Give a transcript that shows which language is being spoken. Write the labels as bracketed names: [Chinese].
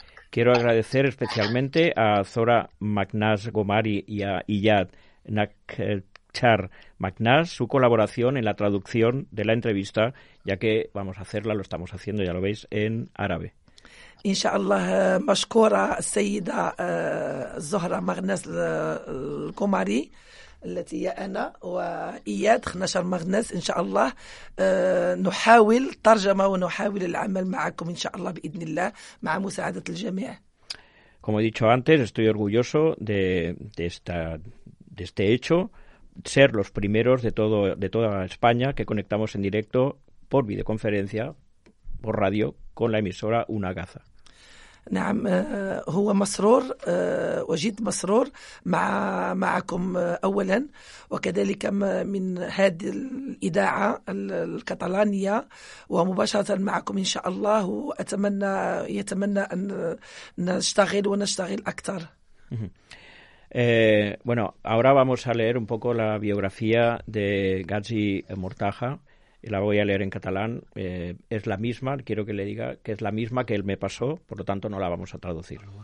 [Spanish] Quiero agradecer especialmente a Zora Magnaz Gomari y a Iyad Nakchar Magnaz su colaboración en la traducción de la entrevista, ya que vamos a hacerla, lo estamos haciendo, ya lo veis, en árabe. [Arabic] إن شاء الله مشكورة السيدة زهرة مغناز الكوماري التي هي أنا وإياد خنشر مغناز إن شاء الله نحاول ترجمة ونحاول العمل معكم إن شاء الله بإذن الله مع مساعدة الجميع. [Spanish] Como he dicho antes, estoy orgulloso de este hecho, ser los primeros de toda España que conectamos en directo por videoconferencia, por radio, con la emisora Una Gaza. [Arabic] نعم هو مسرور وجد مسرور معكم أولا وكذلك من هذه الإذاعة الكتالانية ومباشرة معكم إن شاء الله وأتمنى يتمنى أن نشتغل أكثر. [Spanish] Bueno, ahora vamos a leer un poco la biografía de Ghazi Mortaja. La voy a leer en catalán. Es la misma, quiero que le diga, que es la misma que él me pasó, por lo tanto no la vamos a traducir.